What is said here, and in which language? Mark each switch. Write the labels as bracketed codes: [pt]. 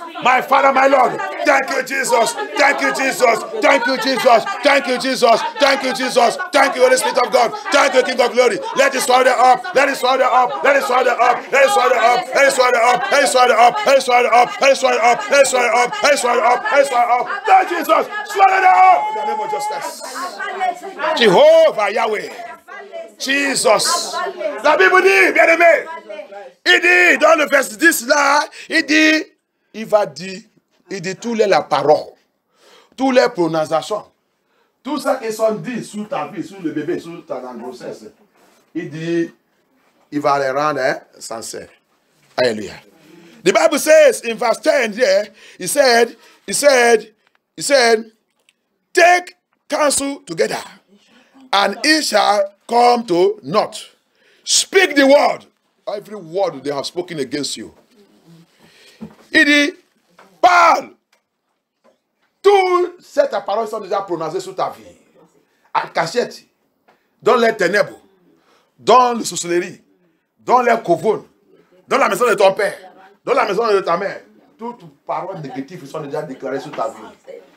[en] my Father, my Lord, thank you, Jesus, thank you, Holy Spirit of God, thank you, King of Glory, let it swallow up, thank Jesus, swallow it up, in the name of justice. Jehovah Yahweh, Jesus. [fr] La Bible dit, bien aimé, il dit dans le verset 10 là, il dit tous les paroles, tous les prononciations, tout ça qui sont dit sur ta vie, sur le bébé, sur ta grossesse, il dit, il va les rendre sincères. Alléluia. [en] The Bible says in verse 10 here, he said, take counsel together, and it shall come to naught. Speak the word, every word they have spoken against you. [fr] Il dit, parle. Toute cette parole sont déjà prononcées sur ta vie. En cachette, dans les ténèbres, dans les sorcelleries, dans les covons, dans la maison de ton père, dans la maison de ta mère. Toutes paroles négatives sont déjà déclarées sur ta vie.